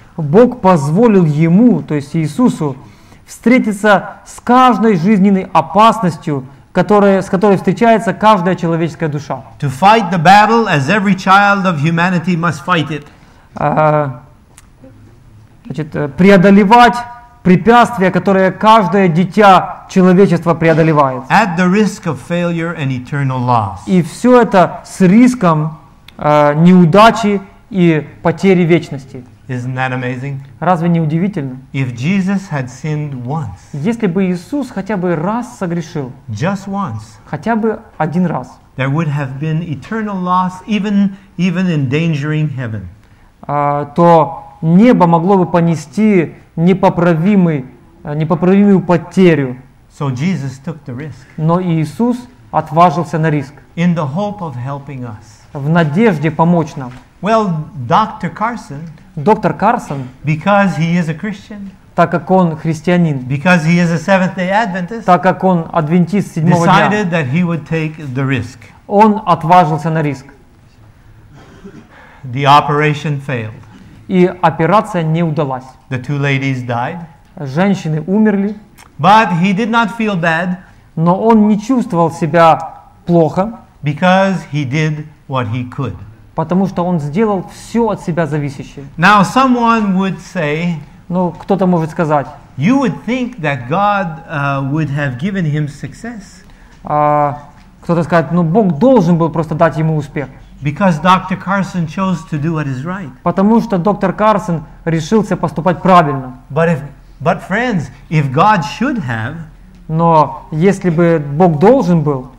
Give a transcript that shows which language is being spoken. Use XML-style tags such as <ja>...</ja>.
<ru>Бог позволил ему, то есть Иисусу, встретиться с каждой жизненной опасностью, с которой встречается каждая человеческая душа.</ru> <en>To fight the battle as every child of humanity must fight it.</en> <ru>значит, преодолевать препятствия, которые каждое дитя человечества преодолевает.</ru> <en>At the risk of failure and eternal loss.</en> <ru>И все это с риском неудачи и потери вечности.</ru> <en>Isn't that amazing?</en> <ru>Разве не удивительно?</ru> <en>If Jesus had sinned once,</en> <ru>если бы Иисус хотя бы раз согрешил,</ru> <en>just once,</en> <ru>хотя бы один раз,</ru> <en>there would have been eternal loss, even endangering heaven.</en> <ru>То небо могло бы понести непоправимую потерю.</ru> <en>So Jesus took the risk.</en> <ru>Но Иисус отважился на риск.</ru> <en>In the hope of helping us.</en> <ru>В надежде помочь нам.</ru> <en>Well, Dr. Carson,</en> <ru>доктор Карсон,</ru> <en>because he is a Christian,</en> <ru>так как он христианин,</ru> <en>because he is a Seventh-day Adventist,</en> <ru>так как он адвентист седьмого</ru> <en>decided</en> <ru>дня,</ru> <en>that he would take the risk.</en> <ru>Он отважился на риск.</ru> <en>The operation failed.</en> <ru>И операция не удалась.</ru> <en>The two ladies died.</en> <ru>Женщины умерли.</ru> <en>But he did not feel bad.</en> <ru>Но он не чувствовал себя плохо.</ru> <en>Because he did what he could.</en> <ru>Потому что он сделал все от себя зависящее.</ru> <en>Now someone would say.</en> <ru>Ну, кто-то может сказать.</ru> <en>You would think that God would have given him success.</en> <ru>Кто-то скажет, ну Бог должен был просто дать ему успех.</ru> <en>Because Dr. Carson chose to do what is right.</en> <ru>Потому что доктор Карсон решился поступать правильно.</ru> <en>But friends, if God should have,</en> <ru>но если бы Бог должен был,</ru>